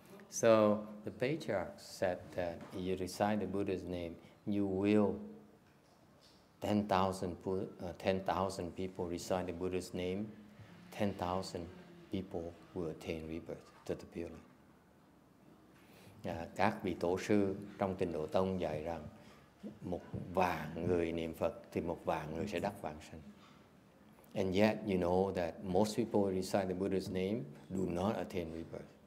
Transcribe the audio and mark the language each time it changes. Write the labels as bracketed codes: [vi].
[en] So the patriarch said that if you recite the Buddha's name, you will 10,000 people recite the Buddha's name. 10,000 people will attain rebirth to the Pure Land. [vi] Các vị tổ sư trong Tịnh Độ Tông dạy rằng một vạn người niệm Phật thì một vạn người sẽ đắc vãng sanh. [en] And yet you know that most people recite the Buddha's name do not attain rebirth.